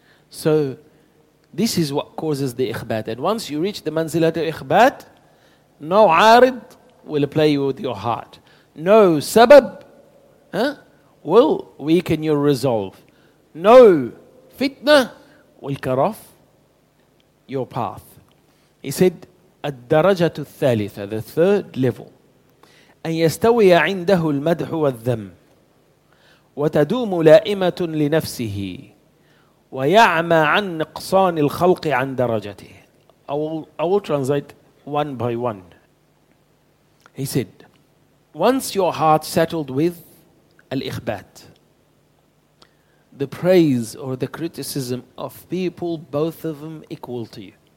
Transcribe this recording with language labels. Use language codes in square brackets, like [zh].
[en] So this is what causes the ikhbat. And once you reach the manzilat al-ikhbat, no arid will play you with your heart. No sabab will weaken your resolve. No fitna will cut off your path. He said, [ar] الدَّرَجَةُ الثَّالِثَةَ [en] The third level. [ar] أَنْ يَسْتَوِيَ عِنْدَهُ الْمَدْحُ وَالذَّمُ وَتَدُومُ لَائِمَةٌ لِنَفْسِهِ وَيَعْمَى عَنْ نِقْصَانِ الْخَلْقِ عَنْ دَرَجَتِهِ [en] I will translate one by one. He said, once your heart settled with al-ikhbat, the praise or the criticism of people, both of them equal to you.